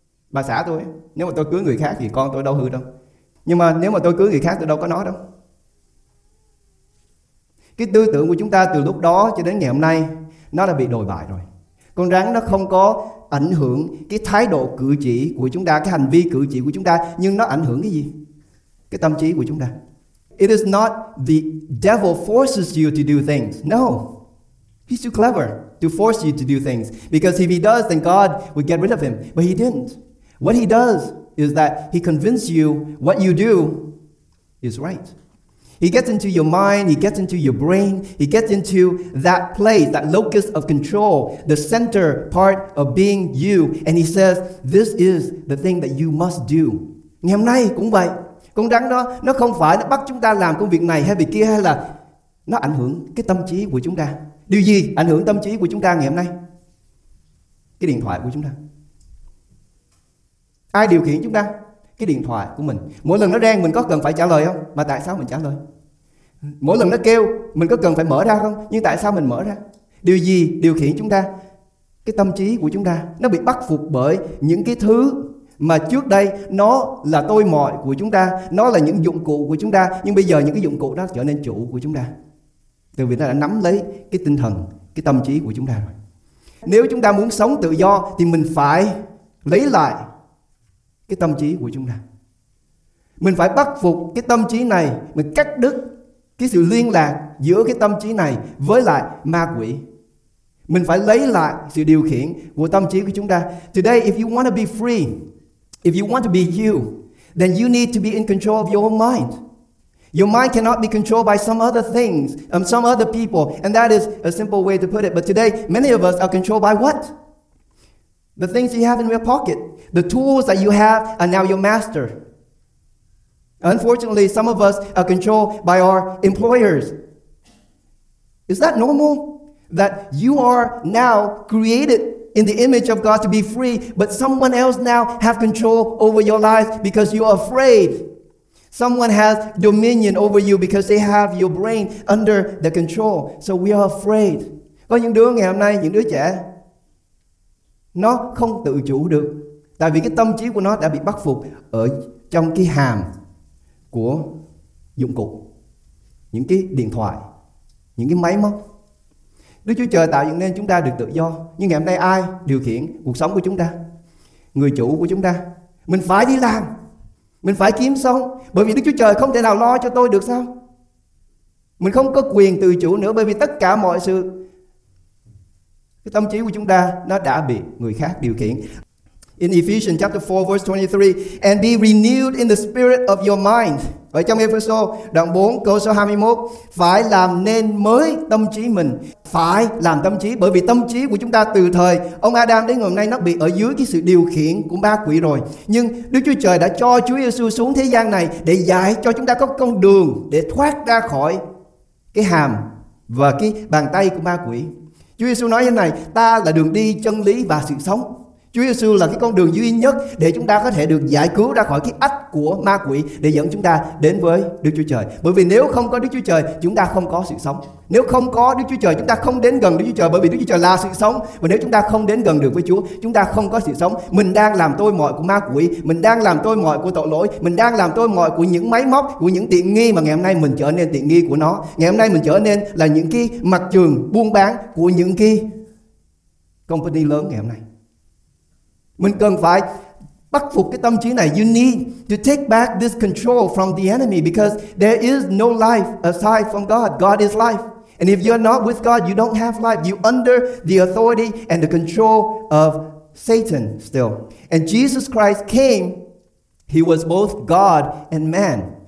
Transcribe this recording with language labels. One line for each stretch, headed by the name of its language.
Vietnamese: Bà xã tôi, nếu mà tôi cưới người khác thì con tôi đâu hư đâu. Nhưng mà nếu mà tôi cưới người khác tôi đâu có nói đâu. Cái tư tưởng của chúng ta từ lúc đó cho đến ngày hôm nay, nó đã bị đồi bại rồi. Con rắn nó không có ảnh hưởng cái thái độ cử chỉ của chúng ta, cái hành vi cử chỉ của chúng ta, nhưng nó ảnh hưởng cái gì? Cái tâm trí của chúng ta.
English: It is not the devil forces you to do things. No. He's too clever to force you to do things. Because if he does, then God would get rid of him. But he didn't. What he does is that he convinces you what you do is right. He gets into your mind. He gets into your brain. He gets into that place, that locus of control, the center part of being you. And he says, this is the thing that you must do.
Vietnamese: Ngày hôm nay cũng vậy. Con rắn đó, nó không phải nó bắt chúng ta làm công việc này hay việc kia, hay là nó ảnh hưởng cái tâm trí của chúng ta. Điều gì ảnh hưởng tâm trí của chúng ta ngày hôm nay? Cái điện thoại của chúng ta. Ai điều khiển chúng ta? Cái điện thoại của mình. Mỗi lần nó reng mình có cần phải trả lời không? Mà tại sao mình trả lời? Mỗi lần nó kêu mình có cần phải mở ra không? Nhưng tại sao mình mở ra? Điều gì điều khiển chúng ta? Cái tâm trí của chúng ta. Nó bị bắt phục bởi những cái thứ mà trước đây nó là tôi mọi của chúng ta. Nó là những dụng cụ của chúng ta. Nhưng bây giờ những cái dụng cụ đó trở nên chủ của chúng ta. Từ vì nó đã nắm lấy cái tinh thần, cái tâm trí của chúng ta rồi. Nếu chúng ta muốn sống tự do thì mình phải lấy lại cái tâm trí của chúng ta. Mình phải bắt phục cái tâm trí này. Mình cắt đứt cái sự liên lạc giữa cái tâm trí này với lại ma quỷ. Mình phải lấy lại sự điều khiển của tâm trí của chúng ta.
English: Today, if you want to be free, if you want to be you, then you need to be in control of your own mind. Your mind cannot be controlled by some other things, some other people. And that is a simple way to put it. But today, many of us are controlled by what? The things you have in your pocket. The tools that you have are now your master. Unfortunately, some of us are controlled by our employers. Is that normal? That you are now created in the image of God to be free, but someone else now have control over your life because you are afraid. Someone has dominion over you because they have your brain under the control. So we are afraid.
Vietnamese: Có những đứa ngày hôm nay, những đứa trẻ, nó không tự chủ được. Tại vì cái tâm trí của nó đã bị bắt phục ở trong cái hàm của dụng cụ. những cái điện thoại, những cái máy móc. Đức Chúa Trời tạo dựng nên chúng ta được tự do, nhưng ngày hôm nay ai điều khiển cuộc sống của chúng ta, người chủ của chúng ta? Mình phải đi làm, mình phải kiếm sống, bởi vì Đức Chúa Trời không thể nào lo cho tôi được sao? Mình không có quyền tự chủ nữa, bởi vì tất cả mọi sự, cái tâm trí của chúng ta nó đã bị người khác điều khiển.
English: In Ephesians chapter 4 verse 23, and be renewed in the spirit of your mind.
Vietnamese: Ở trong Ê-phê-sô đoạn 4 câu số 21, phải làm nên mới tâm trí mình. Phải làm tâm trí, bởi vì tâm trí của chúng ta từ thời ông Adam đến ngày hôm nay nó bị ở dưới cái sự điều khiển của ma quỷ rồi. Nhưng Đức Chúa Trời đã cho Chúa Giê-xu xuống thế gian này để dạy cho chúng ta có con đường để thoát ra khỏi cái hàm và cái bàn tay của ma quỷ. Chúa Giê-xu nói như này: ta là đường đi, chân lý và sự sống. Chúa Giê-xu là cái con đường duy nhất để chúng ta có thể được giải cứu ra khỏi cái ách của ma quỷ, để dẫn chúng ta đến với Đức Chúa Trời. Bởi vì nếu không có Đức Chúa Trời, chúng ta không có sự sống. Nếu không có Đức Chúa Trời, chúng ta không đến gần Đức Chúa Trời, bởi vì Đức Chúa Trời là sự sống. Và nếu chúng ta không đến gần được với Chúa, chúng ta không có sự sống. Mình đang làm tôi mọi của ma quỷ, mình đang làm tôi mọi của tội lỗi, mình đang làm tôi mọi của những máy móc, của những tiện nghi mà ngày hôm nay mình trở nên tiện nghi của nó. Ngày hôm nay mình trở nên là những cái mặt trường buôn bán của những cái company lớn ngày hôm nay. Mình cần phải bắt phục cái tâm trí này.
English: You need to take back this control from the enemy, because there is no life aside from God. God is life. And if you're not with God, you don't have life. You're under the authority and the control of Satan still. And Jesus Christ came. He was both God and man.